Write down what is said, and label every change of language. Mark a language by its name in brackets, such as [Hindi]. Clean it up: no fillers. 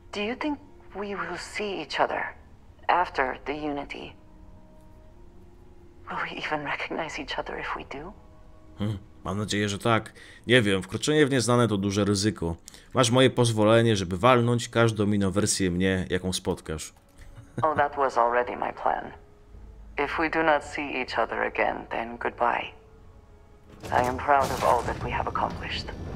[English] Do you think we will see each other after the Unity? Will we even recognize each other if we do? [Polish] Mam nadzieję, że tak. Nie wiem, wkroczenie w nieznane to duże ryzyko. Masz moje pozwolenie, żeby walnąć każdą inną wersję mnie, jaką spotkasz. [English] Oh, that was already my plan. If we do not see each other again, then goodbye. I am proud of all that we have accomplished.